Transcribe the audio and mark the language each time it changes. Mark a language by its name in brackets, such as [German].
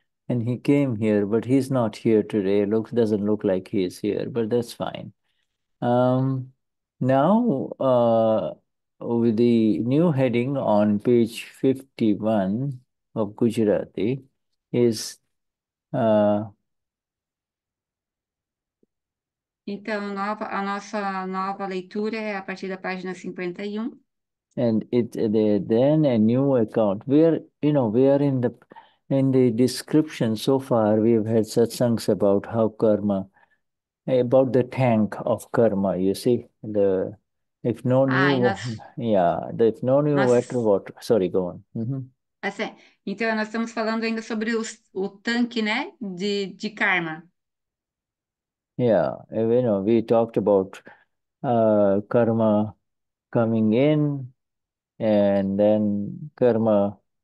[English] And he came here, but he's not here today. Looks doesn't look like he is here, but that's fine. Now, with the new heading on page 51 of Gujarati is. [Portuguese] Então, a nossa nova leitura é a partir da página 51. [English] And it then a new account. We are in the. In the description so far, we have had satsangs about how karma, about the tank of karma, you see. If no new water, water. Sorry, go on. [Portuguese] Assim, então, nós estamos falando ainda sobre o tanque, né, de karma. [English] We talked about karma coming in and then karma